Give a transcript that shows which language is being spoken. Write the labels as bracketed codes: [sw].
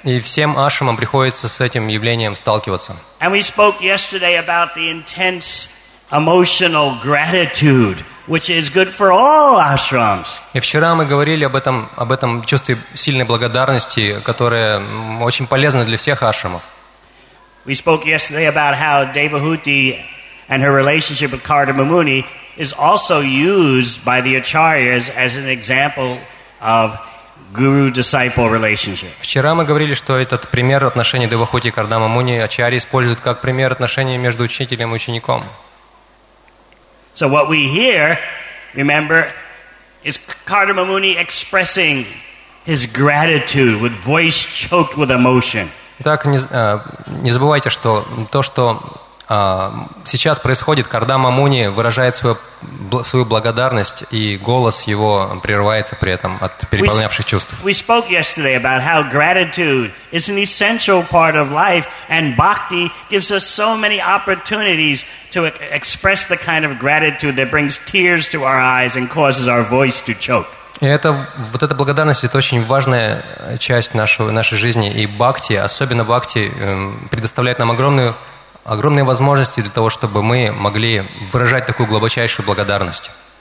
[ru] И всем ашрамам приходится с этим явлением сталкиваться. [en] And we spoke yesterday about the intense emotional gratitude, which is good for all ashrams. [ru] И вчера мы говорили об этом чувстве сильной благодарности, которое очень полезно для всех ашрамов. [en] We spoke yesterday about how Devahuti and her relationship with Kardama Muni is also used by the acharyas as an example of guru-disciple relationship. [ru] Вчера мы говорили, что этот пример отношений Девахути и Кардама Муни ачарьи используют как пример отношений между учителем и учеником. [en] So what we hear, remember, is Kardama Muni expressing his gratitude with voice choked with emotion. [ru] Итак, не забывайте, что то, что сейчас происходит, Кардама Муни выражает свою благодарность, и голос его прерывается при этом от переполнявших чувств. [en] We spoke yesterday about how gratitude is an essential part of life, and bhakti gives us so many opportunities to express the kind of gratitude that brings tears to our eyes and causes our voice to choke. [ru] И это, вот эта благодарность, это очень важная часть нашей жизни, и бхакти, особенно бхакти, предоставляет нам огромные возможности для того, чтобы мы могли выражать такую глубочайшую благодарность.